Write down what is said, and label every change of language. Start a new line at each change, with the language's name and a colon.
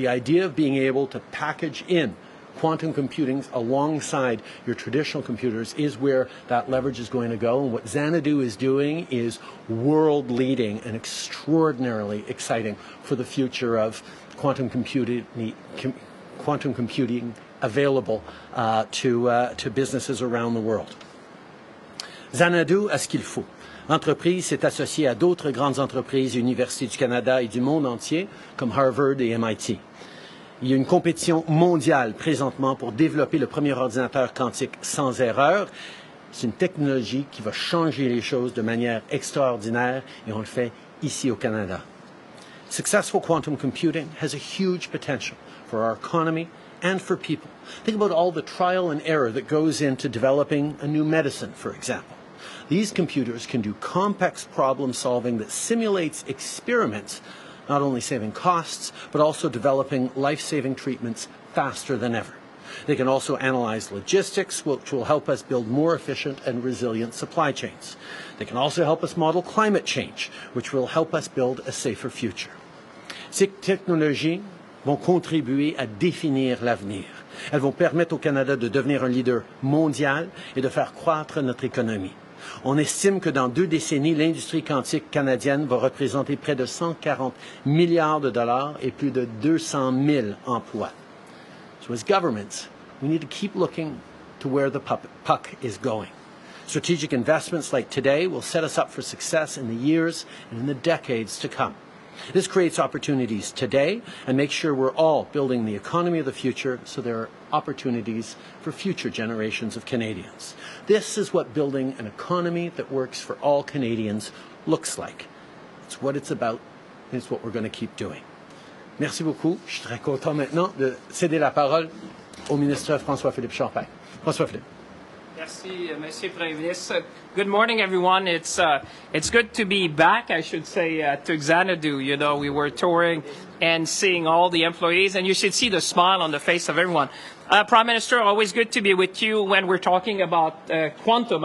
English: The idea of being able to package in quantum computing alongside your traditional computers is where that leverage is going to go. And what Xanadu is doing is world leading and extraordinarily exciting for the future of quantum computing available to businesses around the world.
French: Xanadu a ce qu'il faut. L'entreprise s'est associée à d'autres grandes entreprises, universités du Canada et du monde entier, comme Harvard et MIT. Il y a une compétition mondiale présentement pour développer le premier ordinateur quantique sans erreur. C'est une technologie qui va changer les choses de manière extraordinaire, et on le fait ici au Canada.
English: Successful quantum computing has a huge potential for our economy and for people. Think about all the trial and error that goes into developing a new medicine, for example. These computers can do complex problem solving that simulates experiments, not only saving costs, but also developing life-saving treatments faster than ever. They can also analyze logistics, which will help us build more efficient and resilient supply chains. They can also help us model climate change, which will help us build a safer future.
French: Ces technologies vont contribuer à définir l'avenir. Elles vont permettre au Canada de devenir un leader mondial et de faire croître notre économie. On estime que dans deux décennies, l'industrie quantique canadienne va représenter près de 140 milliards de dollars et plus de 200 000 emplois.
English: So as governments, we need to keep looking to where the puck is going. Strategic investments like today will set us up for success in the years and in the decades to come. This creates opportunities today and makes sure we're all building the economy of the future so there are opportunities for future generations of Canadians. This is what building an economy that works for all Canadians looks like. It's what it's about, and it's what we're going to keep doing.
French: Merci beaucoup. Je suis très content maintenant de céder la parole au ministre François-Philippe Champagne. François-Philippe. Merci, Monsieur le Premier ministre.
English: Good morning, everyone. It's good to be back, I should say, to Xanadu. You know, we were touring and seeing all the employees, and you should see the smile on the face of everyone. Prime Minister, always good to be with you when we're talking about quantum.